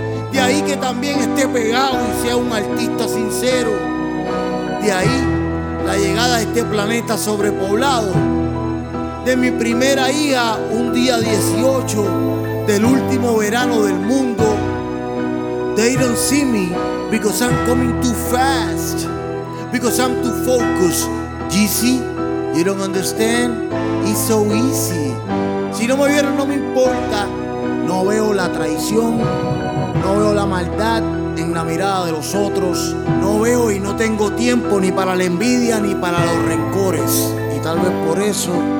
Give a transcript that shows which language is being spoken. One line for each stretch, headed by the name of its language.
Spanish: De ahí que también esté pegado y sea un artista sincero. De ahí la llegada a este planeta sobrepoblado de mi primera hija un día 18 del último verano del mundo.
English: They don't see me because I'm coming too fast, because I'm too focused. GC, you don't understand, it's so easy.
Spanish: Si no me vieron, no me importa. No veo la traición, no veo la maldad en la mirada de los otros. No veo y no tengo tiempo ni para la envidia ni para los rencores. Y tal vez por eso